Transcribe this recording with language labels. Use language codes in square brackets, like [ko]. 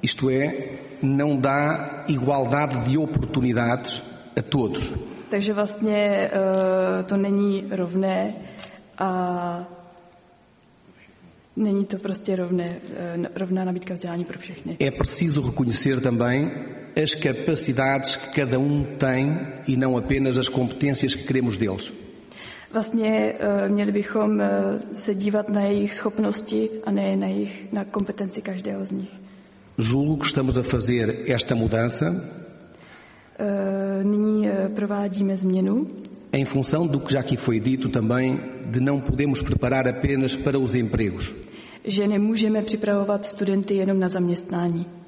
[pt] Isto é, não dá igualdade de oportunidades a todos. [cs] Takže vlastně to není rovné a není to prostě rovná nabídka vzdělání pro všechny. [pt] É preciso reconhecer também as capacidades que cada tem e não apenas as competências que queremos deles. [cs] Vlastně měli bychom se dívat na jejich schopnosti a ne na jejich na kompetenci každého z nich. [pt] Julgo que estamos a fazer esta mudança. [cs] Nyní provádíme změnu. [pt] Em função do que já aqui foi dito também, de não podemos preparar apenas para os empregos. [cs] Že nemůžeme připravovat studenty jenom na zaměstnání.